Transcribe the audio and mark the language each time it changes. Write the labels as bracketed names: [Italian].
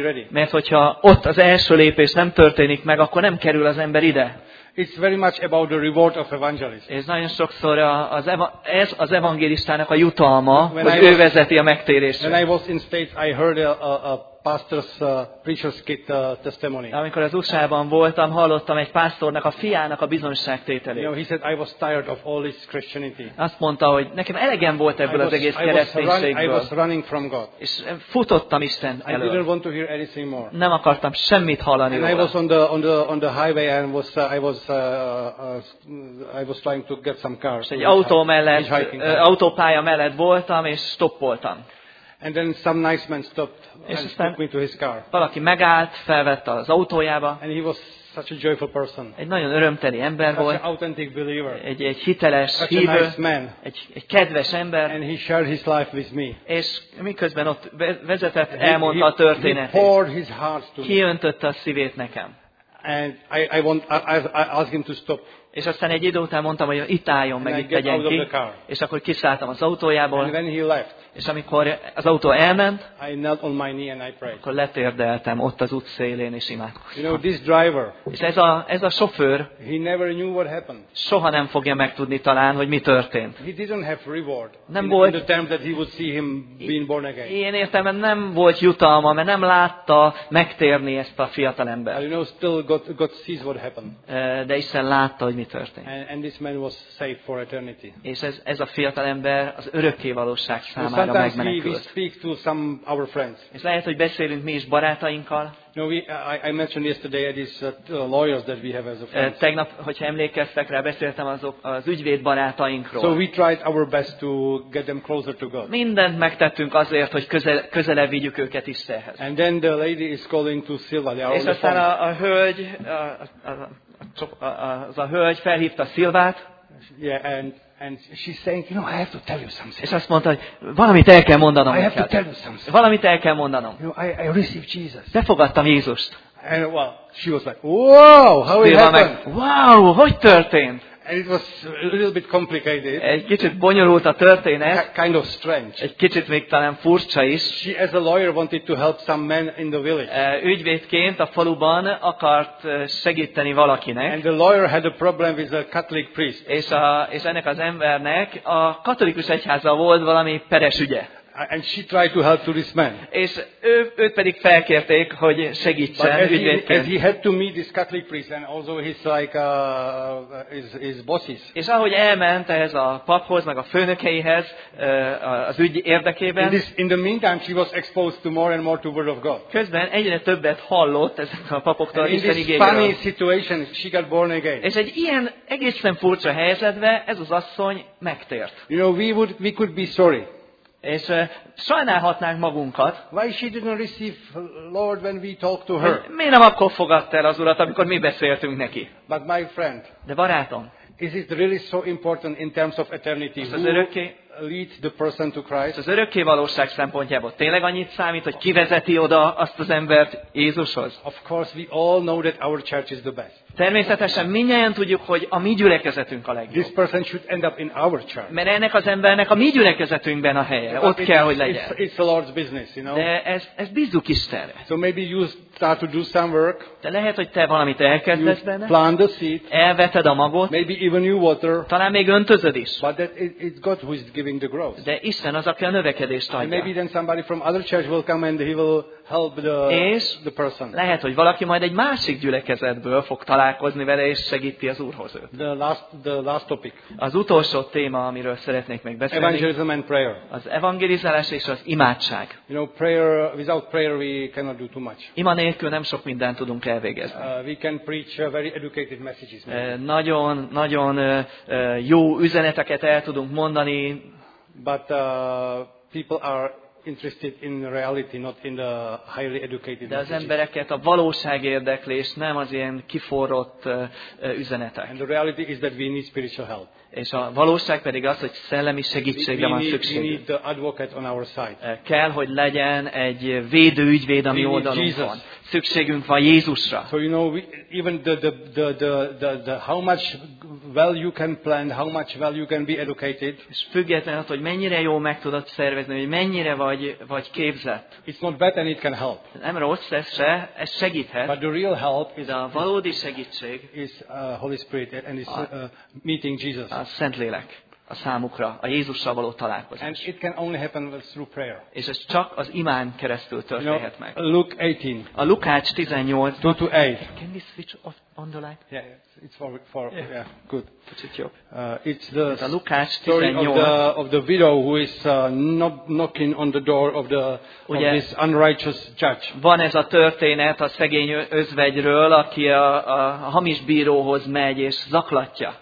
[Hungarian] Mert hogyha ott az első lépés nem történik meg, akkor nem kerül az ember ide. [English] It's very much about the reward of evangelism. [Hungarian] Ez nagyon sokszor ez az evangélistának a jutalma, hogy ő vezeti a megtérésre. [English] When I was in States, I heard a pastor's preacher's kid testimony. [Hungarian] Amikor az USA-ban voltam, hallottam egy pásztornak a fiának a bizonyságtételét. [English] You know, he said I was tired of all this Christianity. [Hungarian] Azt mondta, hogy nekem elegem volt ebből az egész kereszténységből. [English] I was running from God. [Hungarian] És futottam Isten elől. [English] I didn't want to hear anything more. [Hungarian] Nem akartam semmit hallani. [English] And I was on the highway and was I was trying to get some cars. [Hungarian] Egy autó mellett, autópálya mellett voltam és stoppoltam. [English] And then some nice man stopped and took me to his car. [Hungarian] Valaki megállt, felvett az autójába. [English] And he was such a joyful person. [Hungarian] Egy nagyon örömteli ember [English] such [Hungarian] volt. [English] An authentic believer. [Hungarian] Egy hiteles [English] such [Hungarian] hívő. [English] A nice man. [Hungarian] Egy kedves ember. [English] And he shared his life with me. [Hungarian] És miközben ott vezetett, elmondta a történetét. [English] He poured his heart to me. [Hungarian] Kiöntötte a szívét nekem. [English] And I asked him to stop. [Hungarian] És aztán egy idő után mondtam, hogy itt álljon meg, itt tegyen ki. És akkor kiszálltam az autójából. [English] And when he left, [Hungarian] és amikor az autó elment, [English] I knelt on my knee and I prayed. [Hungarian] Akkor letérdeltem ott az útszélén, és imádkoztam. [English] You know, this driver, [Hungarian] és ez a sofőr, [English] he never knew what happened. [Hungarian] Soha nem fogja megtudni talán, hogy mi történt. [English] He didn't have reward [Hungarian] nem volt, [English] in the terms that he would see him being born again. [Hungarian] Ilyen értelemben nem volt jutalma, mert nem látta megtérni ezt a fiatalember. [English] You know, still God sees what happened. [Hungarian] De Isten látta, hogy mi történt. [English] And this man was saved for eternity. [Hungarian] És ez a fiatalember az örökkévalóság számára. [English] Sometimes we speak to some our friends. [Hungarian] És lehet, hogy beszélünk mi is barátainkkal. [English] No, I mentioned yesterday these lawyers that we have as a friend. [Hungarian] Tegnap, hogyha emlékeztek rá, beszéltem azok az ügyvéd barátainkról. [English] So we tried our best to get them closer to God. [Hungarian] Mindent megtettünk azért, hogy közelebb vigyük őket Istenhez. [English] And then the lady is calling to Silva. [Hungarian] És aztán a hölgy, a az a hölgy felhívta Szilvát. [English] Yeah, and she's saying, you know, I have to tell you something. [Hungarian] És azt mondta, hogy valamit el kell mondanom. [English] I have to tell you something. [Hungarian] Valamit el kell mondanom. [English] You know, I received Jesus. [Hungarian] Befogadtam Jézust. [English] And well, she was like, wow, how it happened? [Hungarian] Wow, hogy történt? [English] And it was a little bit complicated. [Hungarian] Egy kicsit bonyolult a történet. [English] Kind of strange. [Hungarian] Egy kicsit még talán furcsa is. [English] She, as a lawyer, wanted to help some men in the village. [Hungarian] Ügyvédként a faluban akart segíteni valakinek. [English] And the lawyer had a problem with a Catholic priest. [Hungarian] És ennek az embernek a katolikus egyháza volt valami peres ügye. [English] And she tried to help to this man. [Hungarian] És őt pedig felkérték, hogy segítsen ügyvédként. [English] He had to meet this Catholic priest and also his like his bosses. [Hungarian] És ahogy elment ehhez a paphoz, meg a főnökeihez az ügy érdekében. [English] In the meantime, she was exposed to more and more to word of God. [Hungarian] Közben egyre többet hallott ez a papoktól Isten igéről. [English] In this funny situation, she got born again. [Hungarian] És egy ilyen egészen furcsa helyzetben ez az asszony megtért. [English] You know, we could be sorry. [Hungarian] És sajnálhatnánk magunkat. [English] Why she didn't receive Lord when we talked to her? [Hungarian] Miért nem akkor fogadta el az Urat, amikor mi beszéltünk neki? [English] But my friend. [Hungarian] De barátom. [English] Is it really so important in terms of eternity? [Hungarian] Az örökké [English] lead the person to Christ. [Hungarian] Az örökké valóság szempontjából tényleg annyit számít, hogy ki vezeti oda azt az embert Jézushoz? [English] Of course we all know that our church is the best. [Hungarian] Természetesen mindjárt tudjuk, hogy a mi gyülekezetünk a legjobb. [English] This person should end up in our church. [Hungarian] Mert ennek az embernek a mi gyülekezetünkben a helye. [English] But [Hungarian] ott kell, hogy legyen. [English] It's the Lord's business, you know? [Hungarian] De ez bízzuk Istenre. [English] So maybe you start to do some work. [Hungarian] De lehet, hogy te valamit elkezdesz benne. [English] You plant the seed. [Hungarian] Elveted a magot. [English] Maybe even you water. [Hungarian] Talán még öntözöd is. [English] But that it's God who is giving the growth. [Hungarian] De Isten az, aki a növekedést adja. [English] And maybe then somebody from other church will come and he will help the person. [Hungarian] Lehet, hogy valaki majd egy másik gyülekezetből fog találkozni vele és segíti az Úrhoz őt. [English] The last topic. [Hungarian] Az utolsó téma, amiről szeretnék még beszélni. [English] Evangelism and prayer. [Hungarian] Az evangelizálás és az imádság. [English] You know, prayer, without prayer we cannot do too much. [Hungarian] Ima nélkül nem sok mindent tudunk elvégezni. [English] We can preach very educated messages. [Hungarian] Nagyon, nagyon jó üzeneteket el tudunk mondani. [English] But people are interested in reality, not in the highly educated. [Hungarian] De az embereket a valóság érdeklés, nem az ilyen kiforrott üzenetek. [English] And the reality is that we need spiritual help. [Hungarian] És a valóság pedig az, hogy szellemi segítségre van szükség. [English] We need the advocate on our side. [Hungarian] Kell, hogy legyen egy védő ügyvéd a mi oldalunkon. Szükségünk van Jézusra. [English] So you know, even the how much well you can plan, how much well you can be educated. [Hungarian] És függetlenül attól, hogy mennyire jól meg tudod szervezni, hogy mennyire vagy képzett. [English] It's not bad and it can help. [Hungarian] Nem rossz, ez segíthet. [English] But the real help is [Hungarian] a valódi segítség. [English] Is Holy Spirit and is meeting Jesus. [Hungarian] A Szentlélek a számukra, a Jézussal való találkozás. [English] And it can only happen through prayer. [Hungarian] És ez csak az imán keresztül történhet, [English] you know, [Hungarian] meg. [English] Luke 18. [Hungarian] A Lukács 18. 2-8. [English] Can we switch off on the light? Yeah, it's for yeah. Yeah, good. [Hungarian] Kicsit jobb. [English] It's the [Hungarian] a Lukács [English] story [Hungarian] 18. [English] Of the widow who is knocking on the door of the [Hungarian] ugye, [English] of this unrighteous judge. [Hungarian] Van ez a történet a szegény özvegyről, aki a hamis bíróhoz megy és zaklatja.